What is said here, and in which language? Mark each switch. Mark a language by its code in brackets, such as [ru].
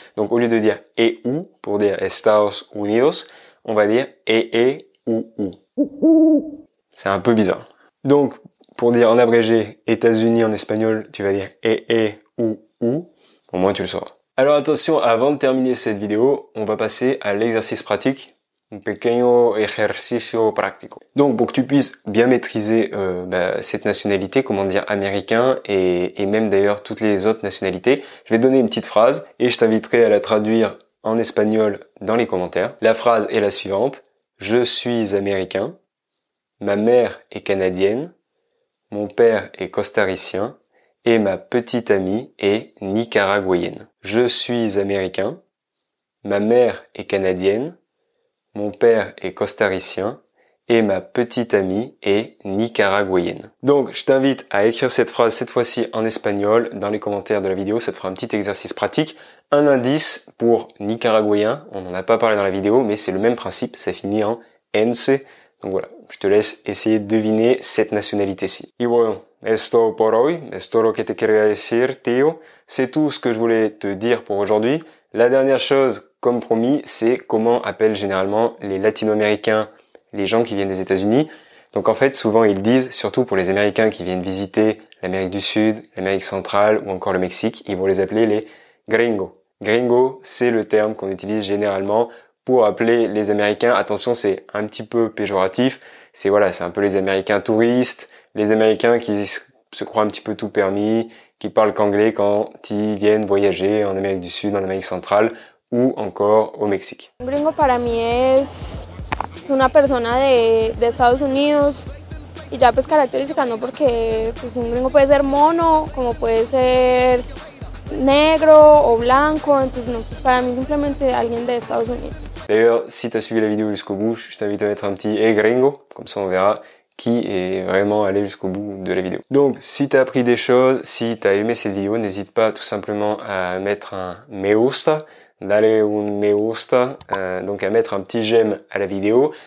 [fr] Donc, au lieu de dire EU pour dire Estados Unidos, on va dire EEUU. C'est un peu bizarre. Donc, pour dire en abrégé États-Unis en espagnol, tu vas dire EEUU. Au moins, tu le sauras. Alors, attention, avant de terminer cette vidéo, on va passer à l'exercice pratique. [es] Un pequeño ejercicio práctico. [fr] Donc, pour que tu puisses bien maîtriser cette nationalité, comment dire américain, et même d'ailleurs toutes les autres nationalités, je vais te donner une petite phrase et je t'inviterai à la traduire en espagnol dans les commentaires. La phrase est la suivante. Je suis américain, ma mère est canadienne, mon père est costaricien et ma petite amie est nicaraguayenne. Je suis américain, ma mère est canadienne, mon père est costaricien et ma petite amie est nicaraguayenne. Donc, je t'invite à écrire cette phrase cette fois-ci en espagnol dans les commentaires de la vidéo, ça te fera un petit exercice pratique. Un indice pour nicaraguayen, on n'en a pas parlé dans la vidéo, mais c'est le même principe, ça finit en ence. Donc voilà, je te laisse essayer de deviner cette nationalité-ci. [es] Y bueno, esto por hoy, esto lo que te quería decir, tío. [fr] C'est tout ce que je voulais te dire pour aujourd'hui. La dernière chose, comme promis, c'est comment appellent généralement les latino-américains les gens qui viennent des États-Unis. Donc en fait, souvent ils disent, surtout pour les Américains qui viennent visiter l'Amérique du Sud, l'Amérique centrale ou encore le Mexique, ils vont les appeler les gringos. Gringo, c'est le terme qu'on utilise généralement pour appeler les Américains. Attention, c'est un petit peu péjoratif. C'est voilà, c'est un peu les Américains touristes, les Américains qui se croient un petit peu tout permis, qui parlent qu'anglais quand ils viennent voyager en Amérique du Sud, en Amérique centrale ou encore au Mexique. [es] Gringo para mí es una persona de Estados Unidos y ya pues característica, ¿no? Porque pues un gringo puede ser mono, como puede ser negro o blanco, entonces no, pues para mí simplemente alguien de Estados Unidos. [fr] D'ailleurs, si tu as suivi la vidéo jusqu'au bout, je t'invite à mettre un petit hey gringo, comme ça on verra qui est vraiment allé jusqu'au bout de la vidéo. Donc, si tu as appris des choses, si tu as aimé cette vidéo, n'hésite pas tout simplement à mettre un [es] me gusta. Dale un me gusta, [fr] donc à mettre un petit j'aime à la vidéo.